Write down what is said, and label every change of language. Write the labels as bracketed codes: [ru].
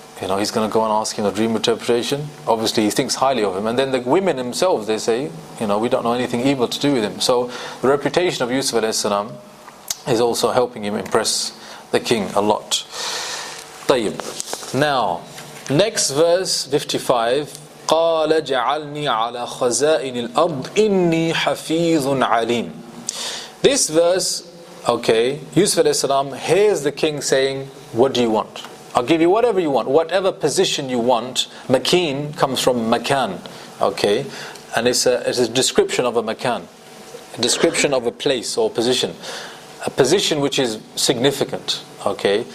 [en] You know, he's going to go and ask him a dream interpretation. Obviously, he thinks highly of him. And then the women themselves, they say, you know, we don't know anything evil to do with him. So the reputation of Yusuf alayhi salam is also helping him impress the king a lot. Tayyib. Now, next verse, 55. [ar] قال جعلني على خزائن الأرض إني حفيظ عليم. [en] This verse, okay, Yusuf alayhi salam hears the king saying, what do you want? I'll give you whatever you want, whatever position you want. Makin comes from makan, okay, and it's a description of a makan, a description of a place or position, a position which is significant, okay.